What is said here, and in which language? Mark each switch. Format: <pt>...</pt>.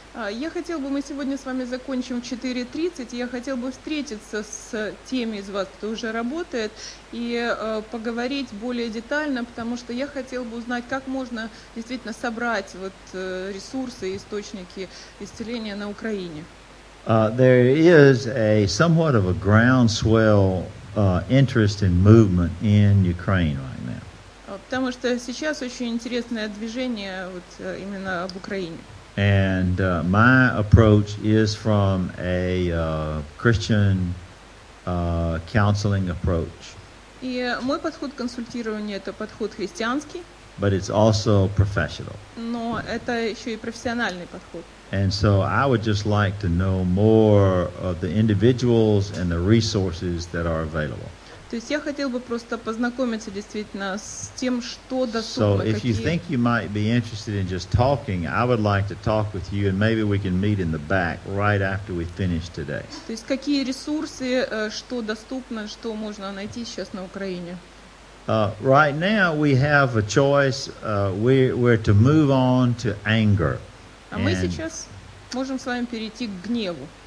<ru>Я хотел бы, мы сегодня с вами закончим в 4:30, я хотел бы встретиться с теми из вас, кто уже работает, и поговорить более детально, потому что я хотел бы узнать, как можно действительно собрать вот ресурсы и источники исцеления на Украине.</ru> <en>There is a somewhat of a groundswell interest and movement in Ukraine right now.</en> <ru>Потому что сейчас очень интересное движение вот именно об Украине.</ru> <en>And my approach is from a Christian counseling approach.</en> <ru>И мой подход к консультированию — это подход христианский.</ru> <en>But it's also professional.</en> <ru>Но это еще и профессиональный подход.</ru> <en>And so I would just like to know more of the individuals and the resources that are available.</en> <ru>То есть я хотел бы просто познакомиться действительно с тем, что доступно.</ru> <en>So if you think you might be interested in just talking, I would like to talk with you, and maybe we can meet in the back right after we finish today.</en> <ru>То есть какие ресурсы, что доступно, что можно найти сейчас на Украине?</ru> <en>Right now we have a choice. We're to move on to anger.</en> <ru>А мы сейчас можем с вами перейти к гневу.</ru>